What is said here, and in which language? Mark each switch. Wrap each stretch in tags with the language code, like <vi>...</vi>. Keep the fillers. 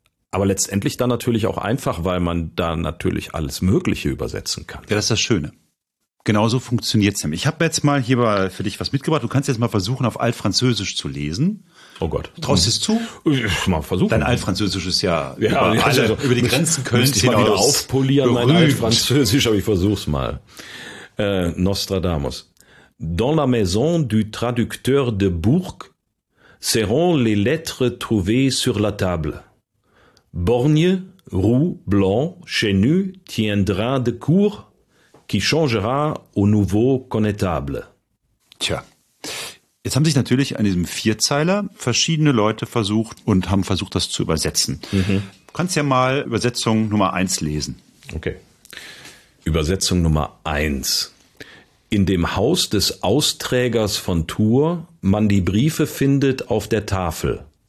<de>aber letztendlich dann natürlich auch einfach, weil man da natürlich alles Mögliche übersetzen kann. Ja, das ist das Schöne. Genauso funktioniert's. nämlich. Ich habe jetzt mal hier mal für dich was mitgebracht. Du kannst jetzt mal versuchen, auf Altfranzösisch zu lesen. Oh Gott. Traust mm. es zu? Ich mal versuchen. Dein altfranzösisches Jahr. Ja, ja, ja, ja, über, also, über die Grenzen können Sie wieder aufpolieren, mein altfranzösisch, aber ich versuch's mal. Uh, Nostradamus.</de> <fr>Dans la maison du traducteur de Bourg seront les lettres trouvées sur la table. Borgne, roux, blanc, chenu tiendra de cour qui changera au nouveau connétable. Tiens.</fr> <de>Jetzt haben sich natürlich an diesem Vierzeiler verschiedene Leute versucht und haben versucht, das zu übersetzen. Mhm. Du kannst ja mal Übersetzung Nummer eins lesen. Okay. Übersetzung Nummer eins. In dem Haus des Austrägers von Tour man die Briefe findet auf der Tafel.</de>